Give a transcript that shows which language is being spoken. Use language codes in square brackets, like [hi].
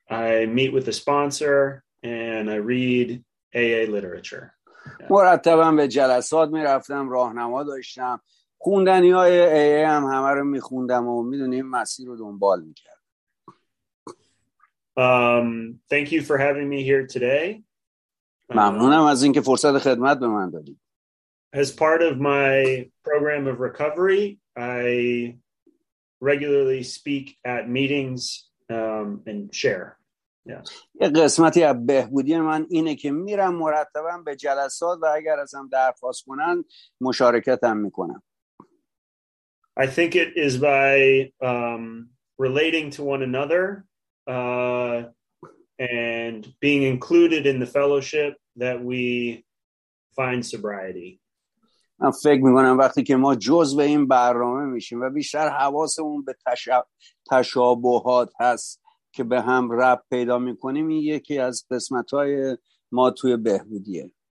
[en] I meet with a sponsor and I read AA literature. [fa] مرتبا به جلسات میرفتم، راهنما داشتم، خوندنی های AA هم همه رو میخوندم و میدونیم مسیر رو دنبال میکردم. [en] Thank you for having me here today. [fa] ممنونم از اینکه فرصت خدمت به من دادید. [en] As part of my program of recovery, I regularly speak at meetings and share. [fa] یه قسمتی از بهبودی من اینه که میرم مرتبا به جلسات و اگر ازم درخواست کنن مشارکتم میکنم. [en] I think it is by relating to one another and being included in the fellowship that we find sobriety. [fa] من فکر میکنم وقتی که ما جزء این برنامه میشیم و بیشتر حواسمون به تشابهات هست که به هم ربط پیدا میکنیم، این یکی از قسمت‌های ما توی بهبودیه.